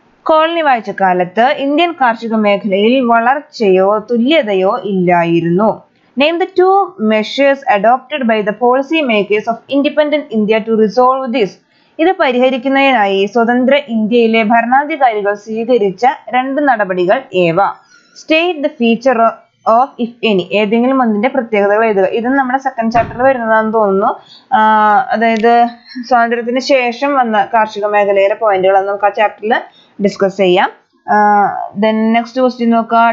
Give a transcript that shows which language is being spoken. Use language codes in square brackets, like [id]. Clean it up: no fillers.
[ml] Colony വാഴ്ച കാലത്ത് Indian കാർഷിക മേഖലയിൽ വളർച്ചയോ തുല്യതയോ ഇല്ലായിരുന്നു. [en] Name the two measures adopted by the policy makers of independent India to resolve this. [ml] ഇത് പരിഹരിക്കുന്നതിനായി സ്വതന്ത്ര ഇന്ത്യയിലെ ഭരണാധികാരികൾ സ്വീകരിച്ച രണ്ട് നടപടികൾ ഏവ. [en] state the feature of if any, [ml] ഏതെങ്കിലും ഒന്നിന്റെ പ്രത്യേകതകൾ എഴുതുക. ഇതും നമ്മുടെ സെക്കൻഡ് ചാപ്റ്ററിൽ വരുന്നതാണെന്ന് തോന്നുന്നു. അതായത് സ്വാതന്ത്ര്യത്തിന് ശേഷം വന്ന കാർഷിക മേഖലയിലെ പോയിന്റുകൾ നമുക്ക് ആ ചാപ്റ്ററിൽ ഡിസ്കസ് ചെയ്യാം. നെക്സ്റ്റ് ക്വസ്റ്റ്യൻ നോക്കുക.